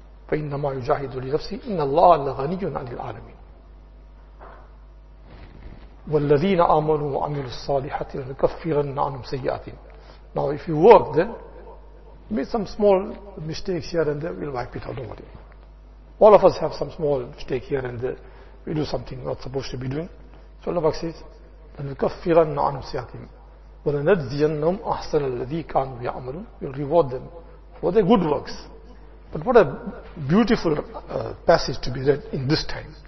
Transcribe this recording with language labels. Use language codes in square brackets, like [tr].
[ar] فَإِنَّمَا يُجَاهِدُ لِنَفْسِهِ إِنَّ اللَّهَ لَغَنِيٌّ عَنِ الْعَالَمِينَ وَالَّذِينَ آمَنُوا وَعَمِلُوا الصَّالِحَاتِ لَنُكَفِّرَنَّ عَنْهُمْ سَيِّئَاتِهِمْ. [en] Now, if you work then, you made some small mistakes here and there, we'll wipe it out, don't worry. All of us have some small mistake here and there, we do something we're not supposed to be doing. So Allah says, [ar] لَنُكَفِّرَنَّ عَنْهُمْ سَيَاتِهِمْ وَلَنَجْزِيَنَّهُمْ أَحْسَنَ الَّذِي كَانُوا يَعْمَلُونَ. [en] We'll reward them for their good works. But what a beautiful passage to be read in this time.